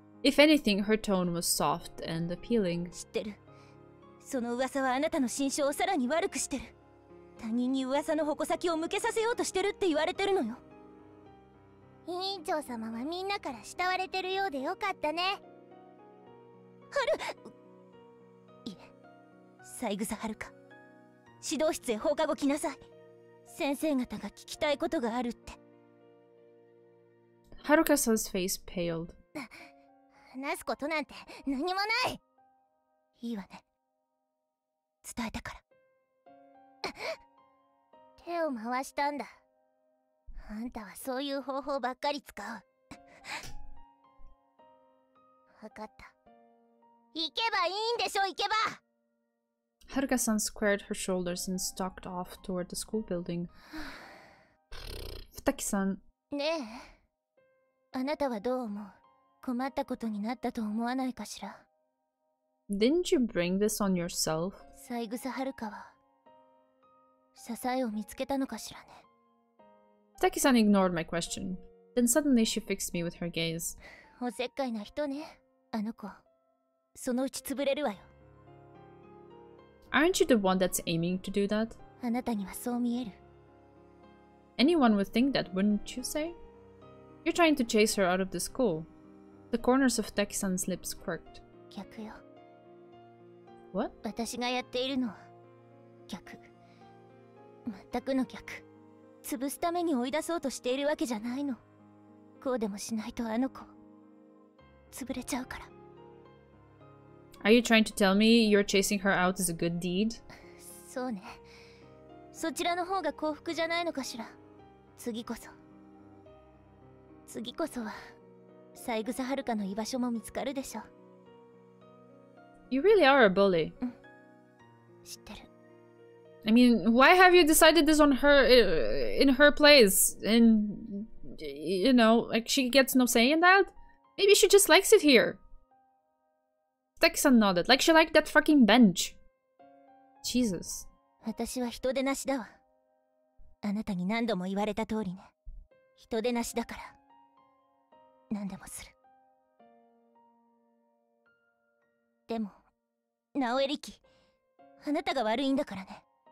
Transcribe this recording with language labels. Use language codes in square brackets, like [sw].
[en] If anything, her tone was soft and appealing. [ja] 知ってる。その噂はあなたの心象をさらに悪くしてる。他人に噂の矛先を向けさせようとしてるって言われてるのよ。委員長様はみんなから慕われてるようでよかったね。ハル、いえ、サイグザ・ハルカ。指導室へ放課後来なさい。先生方が聞きたいことがあるって。 [en] Haruka-san's face paled. [ja] 話すことなんて何もない。いいわね、伝えたから手を回したんだ。あんたはそういう方法ばっかり使う。わかった。行けばいいんでしょ、行けば。 [en] Haruka-san squared her shoulders and stalked off toward the school building. Futaki-san. [ja] ねえ、あなたはどう思う？困ったことになったと思わないかしら？ [en] Didn't you bring this on yourself? [ja] サイグサ・ハルカは支えを見つけたのかしらね。 [en] Taki-san ignored my question. Then suddenly she fixed me with her gaze. [ja] おせっかいな人ね、あの子。そのうち潰れるわよ。 [en] Aren't you the one that's aiming to do that? [ja] あなたにはそう見える。 [en] Anyone would think that, wouldn't you say? You're trying to chase her out of the school. The corners of Taki-san's lips quirked. [ja] 逆よ。 [en] What? [ja] 私がやっているのは逆。全くの逆。潰すために追い出そうとしているわけじゃないの。こうでもしないとあの子、潰れちゃうから。 [en] Are you trying to tell me you're chasing her out is a good deed? [ja] そうね。そちらの方が幸福じゃないのかしら。次こそ。次こそは、サイグサハルカの居場所も見つかるでしょう。 [en] You really are a bully. [ja] 知ってる。 [en] I mean, why have you decided this on her, in her place? And, you know, like, she gets no say in that? Maybe she just likes it here. Taki-san nodded, like she liked that fucking bench. Jesus. [ja] 私は人でなしだわ。あなたに何度も言われた通りね。人でなしだから。何でもする。でも、ナオエリキ、あなたが悪いんだからね。